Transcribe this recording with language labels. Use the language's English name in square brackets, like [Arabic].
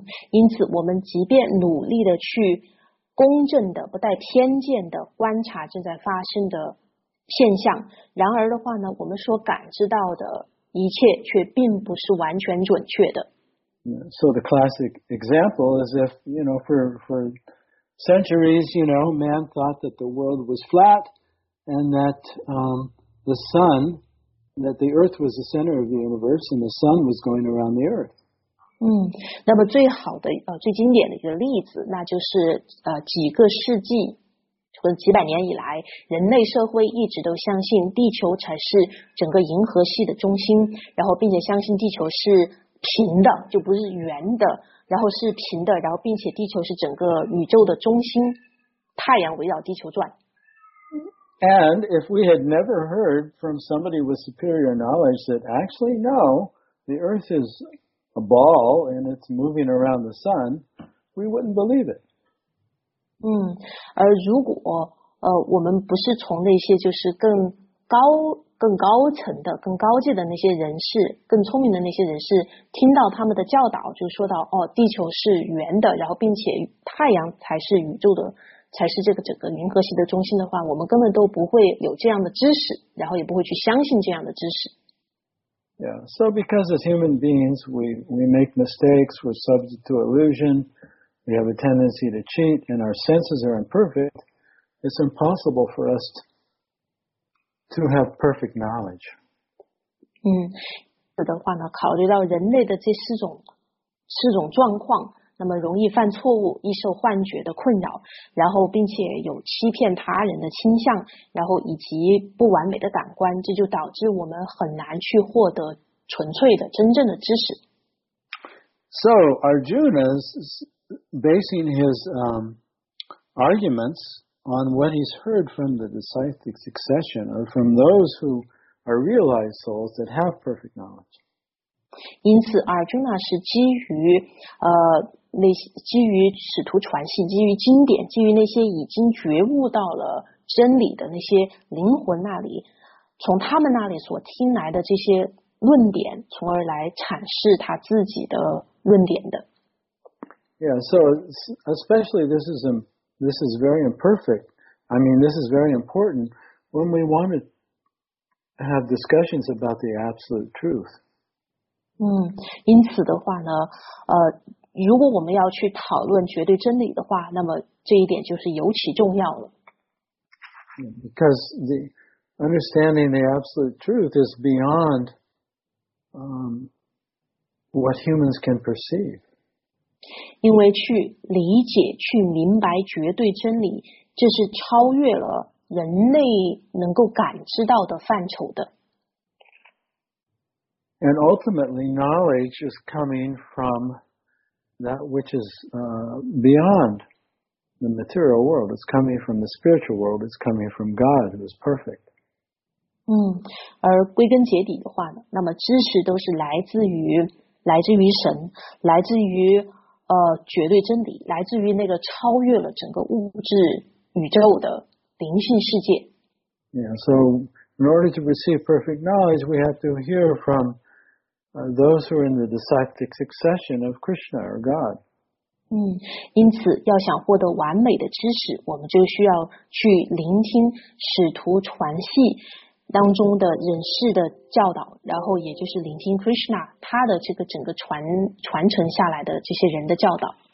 [Chinese] 因此我们即便努力的去公正的、不带偏见的观察正在发生的现象，然而的话呢，我们所感知到的一切却并不是完全准确的。 [English] So the classic example is if, you know, for centuries, you know, man thought that the world was flat and that the sun, that the earth was the center of the universe and the sun was going around the earth. [Chinese] 那么最好的最经典的一个例子，那就是几个世纪或者几百年以来，人类社会一直都相信地球才是整个银河系的中心，然后并且相信地球是平的，就不是圆的，然后是平的，然后并且地球是整个宇宙的中心，太阳围绕地球转。 [English] And if we had never heard from somebody with superior knowledge that actually no, the earth is a ball and it's moving around the sun, we wouldn't believe it. [Chinese] 而如果我们不是从那些就是更高层的、更高级的那些人士、更聪明的那些人士，听到他们的教导，就说到哦，地球是圆的，然后并且太阳才是宇宙的，才是这个整个银河系的中心的话，我们根本都不会有这样的知识，然后也不会去相信这样的知识。 [English] Yeah, so because as human beings, we make mistakes, we're subject to illusion, we have a tendency to cheat, and our senses are imperfect. It's impossible for us to have perfect knowledge. [Chinese] 这的话呢，考虑到人类的这四种状况，那么容易犯错误，易受幻觉的困扰，然后并且有欺骗他人的倾向，然后以及不完美的感官，这就导致我们很难去获得纯粹的真正的知识。 [English] So Arjuna is basing his arguments on what he's heard from the disciplic succession or from those who are realized souls that have perfect knowledge. [Chinese] 因此 Arjuna 是基于那些基于使徒传信，基于经典，基于那些已经觉悟到了真理的那些灵魂那里，从他们那里所听来的这些论点，从而来阐释他自己的论点的。 [English] Yeah, so especially this is very imperfect. I mean, this is very important when we want to have discussions about the absolute truth. [Chinese] 因此的话呢，如果我们要去讨论绝对真理的话，那么这一点就是尤其重要了。 [English] Because the understanding the absolute truth is beyond what humans can perceive. [Chinese] 因为去理解、去明白绝对真理，这是超越了人类能够感知到的范畴的。 [English] And ultimately, knowledge is coming from that which is beyond the material world. It's coming from the spiritual world. It's coming from God, who is perfect. [Chinese] 而归根结底的话呢，那么知识都是来自于神，来自于绝对真理，来自于那个超越了整个物质宇宙的灵性世界。 [English] Yeah, so in order to receive perfect knowledge, we have to hear from those who are in the disciplic succession of Krishna or God. [Chinese] 因此要想获得完美的知识，我们就需要去聆听使徒传系当中的人士的教导，然后也就是聆听 Krishna 他的这个整个传承下来的这些人的教导。